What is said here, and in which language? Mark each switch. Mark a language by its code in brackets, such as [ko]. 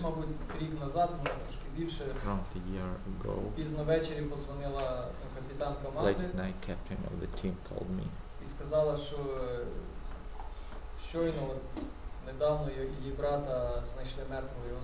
[uk] Мабуть, рік назад, може трошки більше. [en] About a year ago. [uk] Пізно ввечері позвонила капітан команди. [en] Late at night, captain of the team called me. [uk] І сказала, що щойно недавно її брата знайшли мертвого його